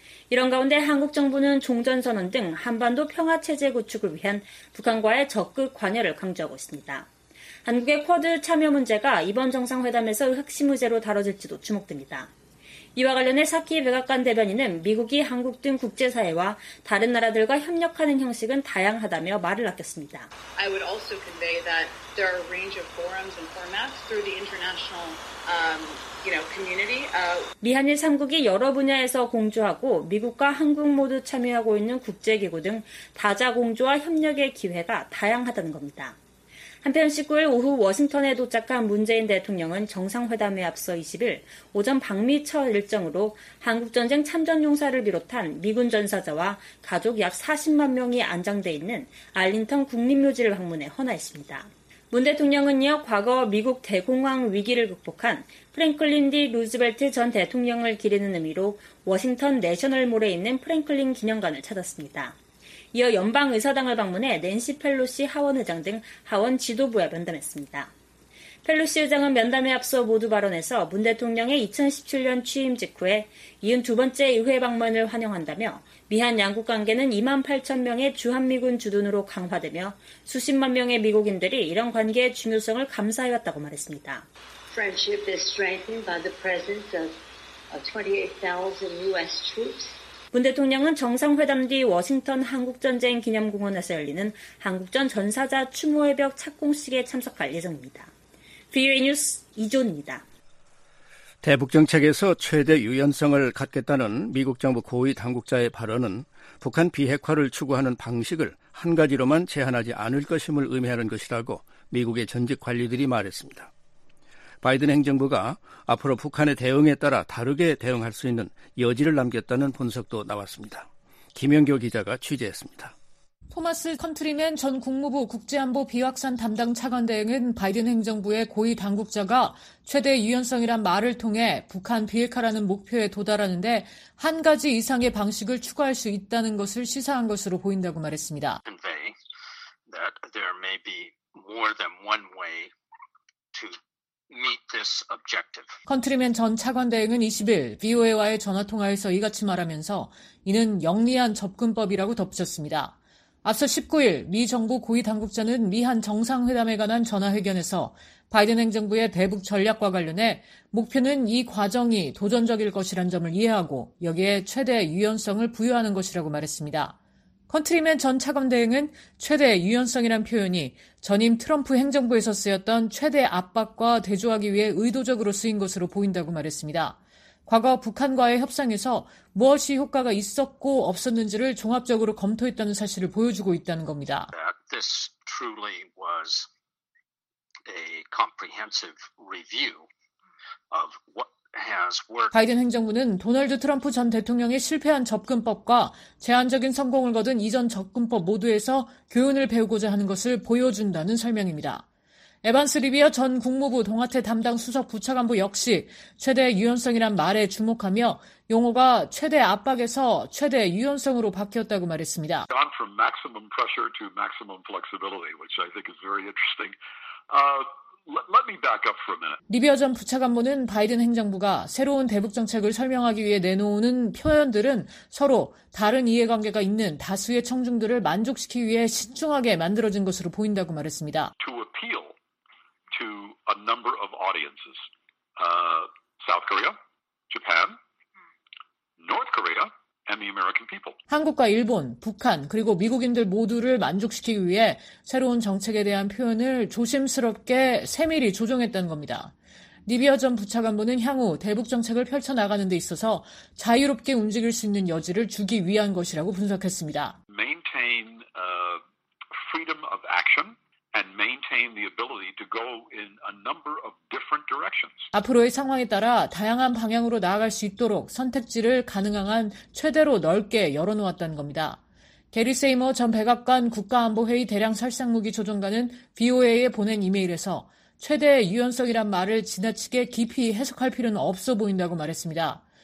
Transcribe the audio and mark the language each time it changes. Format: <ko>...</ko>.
<ko>이런 가운데 한국 정부는 종전선언 등 한반도 평화체제 구축을 위한 북한과의 적극 관여를 강조하고 있습니다. 한국의 쿼드 참여 문제가 이번 정상회담에서 핵심 의제로 다뤄질지도 주목됩니다. 이와 관련해 사키 백악관 대변인은 미국이 한국 등 국제사회와 다른 나라들과 협력하는 형식은 다양하다며 말을 아꼈습니다.</ko> <en>I would also convey that there are a range of forums and formats through the international community.</en> <ko>미한일 3국이 여러 분야에서 공조하고 미국과 한국 모두 참여하고 있는 국제기구 등 다자 공조와 협력의 기회가 다양하다는 겁니다. 한편 19일 오후 워싱턴에 도착한 문재인 대통령은 정상회담에 앞서 20일 오전 방미 첫 일정으로 한국전쟁 참전용사를 비롯한 미군 전사자와 가족 약 40만 명이 안장돼 있는 알링턴 국립묘지를 방문해 헌화했습니다. 문 대통령은 이어 과거 미국 대공황 위기를 극복한 프랭클린 디 루즈벨트 전 대통령을 기리는 의미로 워싱턴 내셔널몰에 있는 프랭클린 기념관을 찾았습니다. 이어 연방의사당을 방문해 낸시 펠로시 하원의장 등 하원 지도부와 면담했습니다. 펠로시 의장은 면담에 앞서 모두 발언에서 문 대통령의 2017년 취임 직후에 72번째 의회 방문을 환영한다며 미한 양국 관계는 2만 8천 명의 주한미군 주둔으로 강화되며 수십만 명의 미국인들이 이런 관계의 중요성을 감사해왔다고 말했습니다.</ko> <en>Friendship is strengthened by the presence of 28,000 U.S. troops.</en> <ko>문 대통령은 정상회담 뒤 워싱턴 한국전쟁 기념공원에서 열리는 한국전 전사자 추모회벽 착공식에 참석할 예정입니다. VOA 뉴스 이존입니다. 대북정책에서 최대 유연성을 갖겠다는 미국 정부 고위 당국자의 발언은 북한 비핵화를 추구하는 방식을 한 가지로만 제한하지 않을 것임을 의미하는 것이라고 미국의 전직 관리들이 말했습니다. 바이든 행정부가 앞으로 북한의 대응에 따라 다르게 대응할 수 있는 여지를 남겼다는 분석도 나왔습니다. 김영교 기자가 취재했습니다. 토마스 컨트리맨 전 국무부 국제안보 비확산 담당 차관대행은 바이든 행정부의 고위 당국자가 최대 유연성이란 말을 통해 북한 비핵화라는 목표에 도달하는데 한 가지 이상의 방식을 추구할 수 있다는 것을 시사한 것으로 보인다고 말했습니다.</ko> <en>That there may be more than one way to meet this objective.</en> <ko>컨트리맨 전 차관대행은 20일 VOA와의 전화통화에서 이같이 말하면서 이는 영리한 접근법이라고 덧붙였습니다. 앞서 19일 미 정부 고위 당국자는 미한 정상회담에 관한 전화회견에서 바이든 행정부의 대북 전략과 관련해 목표는 이 과정이 도전적일 것이란 점을 이해하고 여기에 최대 유연성을 부여하는 것이라고 말했습니다. 컨트리맨 전 차관대행은 최대 유연성이란 표현이 전임 트럼프 행정부에서 쓰였던 최대 압박과 대조하기 위해 의도적으로 쓰인 것으로 보인다고 말했습니다. 과거 북한과의 협상에서 무엇이 효과가 있었고 없었는지를 종합적으로 검토했다는 사실을 보여주고 있다는 겁니다.</ko> <en>This truly was a comprehensive review of what</en> <ko>바이든 행정부는 도널드 트럼프 전 대통령의 실패한 접근법과 제한적인 성공을 거둔 이전 접근법 모두에서 교훈을 배우고자 하는 것을 보여준다는 설명입니다. 에반스 리비어 전 국무부 동아태 담당 수석 부차관부 역시 최대 유연성이란 말에 주목하며 용어가 최대 압박에서 최대 유연성으로 바뀌었다고 말했습니다.</ko> <en>Gone from maximum pressure to maximum flexibility, which I think is very interesting. Let me back up for a minute.</en> <ko>리비어 전 부차관보는 바이든 행정부가 새로운 대북정책을 설명하기 위해 내놓는 표현들은 서로 다른 이해관계가 있는 다수의 청중들을 만족시키기 위해 신중하게 만들어진 것으로 보인다고 말했습니다.</ko> <en>To appeal to a number of audiences. South Korea, Japan, North Korea, and the American people.</en> <ko>한국과 일본, 북한, 그리고 미국인들 모두를 만족시키기 위해 새로운 정책에 대한 표현을 조심스럽게 세밀히 조정했다는 겁니다. 니비아 전 부차관보는 향후 대북 정책을 펼쳐나가는 데 있어서 자유롭게 움직일 수 있는 여지를 주기 위한 것이라고 분석했습니다.</ko> <en>Maintain freedom of action and maintain the ability to go in a number of different directions.</en> <ko>앞으로의 상황에 따라 다양한 방향으로 나아갈 수 있도록 선택지를 가능한 한 최대로 넓게 열어놓았다는 겁니다. 게리 세이머 전 백악관 국가안보회의 대량 살상무기 조정관은 VOA에 보낸 이메일에서 최대의 유연성이란 말을 지나치게 깊이 해석할 필요는 없어 보인다고 말했습니다.</ko>